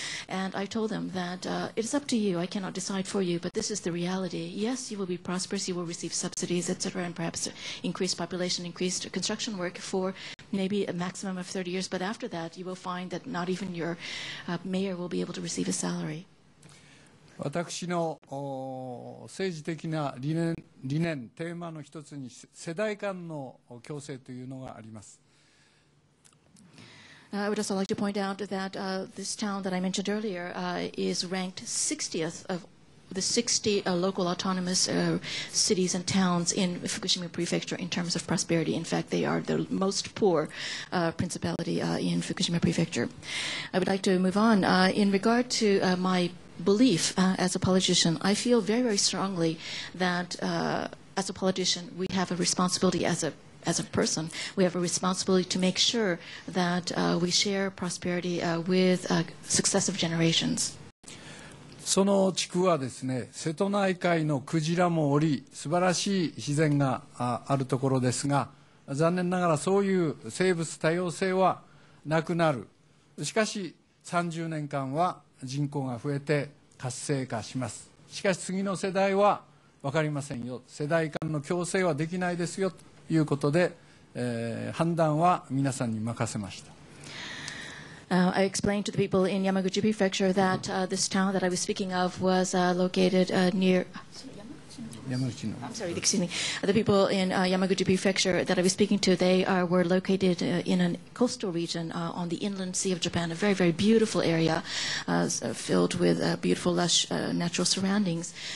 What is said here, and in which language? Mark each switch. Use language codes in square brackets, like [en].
[en] And I told them that it is up to you. I cannot decide for you, but this is the reality. Yes, you will be prosperous. You will receive subsidies, etc., and perhaps increased population, increased construction work for maybe a maximum of 30 years. But after that, you will find that not even your mayor will be able to receive a salary. [ja] 私の政治的な理念テーマの一つに、世代間の共生というのがあります。 [en] I would also like to point out that this town that I mentioned earlier is ranked 60th of the 60 local autonomous cities and towns in Fukushima Prefecture in terms of prosperity. In fact, they are the most poor principality in Fukushima Prefecture. I would like to move on. In regard to my belief as a politician, I feel very, very strongly that as a politician, we have a responsibility as a person, we have a responsibility to make sure that we share prosperity with successive generations. [ja] その地区はですね、瀬戸内海のクジラもおり、素晴らしい自然があるところですが、残念ながらそういう生物多様性はなくなる。しかし30年間は人口が増えて活性化します。しかし次の世代は分かりませんよ。世代間の共生はできないですよ。ということで、判断は皆さんに任せました。 [en] I explained to the people in Yamaguchi Prefecture that this town that I was speaking of was located near the people in Yamaguchi Prefecture that I was speaking to, they are, were located in a coastal region on the inland sea of Japan, a very, very beautiful area filled with beautiful, lush natural surroundings.